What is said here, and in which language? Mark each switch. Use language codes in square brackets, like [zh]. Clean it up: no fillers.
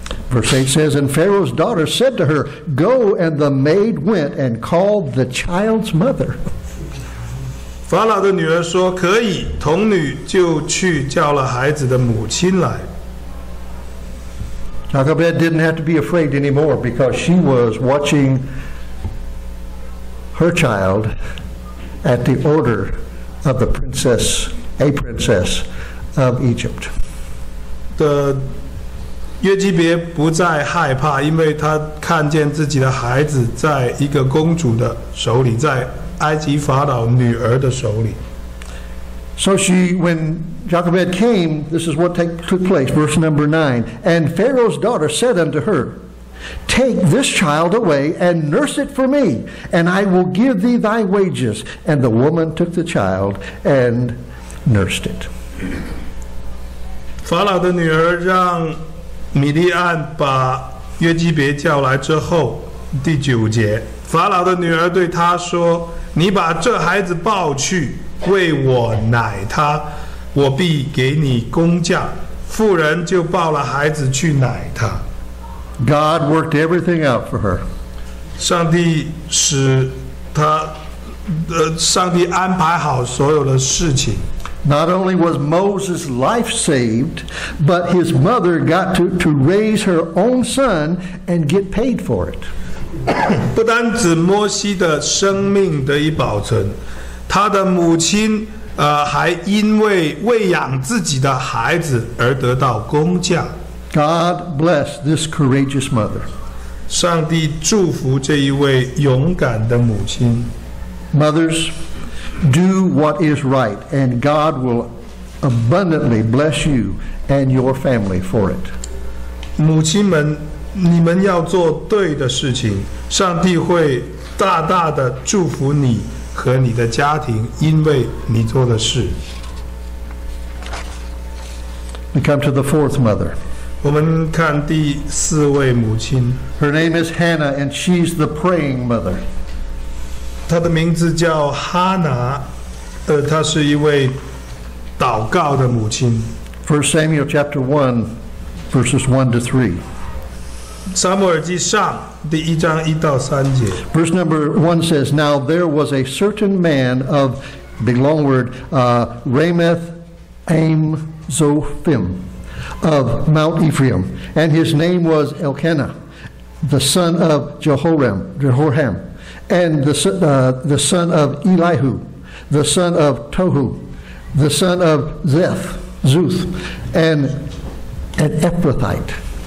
[en] Verse 8 says, And Pharaoh's daughter said to her, Go, and the maid went and called the child's mother. [zh] 法老的女儿说，可以，童女就去叫了孩子的母亲来。 [en] Jochebed didn't have to be afraid anymore because she was watching her child at the order of the princess, a princess of Egypt. [zh] 约基别不再害怕，因为他看见自己的孩子在一个公主的手里，在埃及法老女儿的手里。 [en] So she, when Jochebed came, this is what took place, verse number 9. And Pharaoh's daughter said unto her, Take this child away and nurse it for me, and I will give thee thy wages. And the woman took the child and nursed it. [zh] 法老的女儿让米利安把约基别叫来之后，第九节，法老的女儿对她说，你把这孩子抱去。为我奶他，我必给你工价。妇人就抱了孩子去奶他。 [en] God worked everything out for her. [zh] 上帝使他，上帝安排好所有的事情。 [en] Not only was Moses' life saved, but his mother got to raise her own son and get paid for it. [zh] 不单指摩西的生命得以保存。他的母亲还因为喂养自己的孩子而得到工价。 [en] God bless this courageous mother. [zh] 上帝祝福这一位勇敢的母亲。 [en] Mothers, do what is right, and God will abundantly bless you and your family for it. [zh] 母亲们，你们要做对的事情，上帝会大大的祝福你和你的家庭，因为你做的事。 [en] We come to the fourth mother. [zh] 我们看第四位母亲。 [en] Her name is Hannah, and she's the praying mother. [zh] 她的名字叫哈拿，她是一位祷告的母亲。 [en] First Samuel chapter 1, verses 1 to 3. [zh] 撒母耳记上第一章一到三节。 [en] Verse number 1 says, Now there was a certain man of, big long word, Ramath Aim Zophim of Mount Ephraim, and his name was Elkanah, the son of Jehoram, and the son of Elihu, the son of Tohu, the son of Zuth, and an Ephrathite.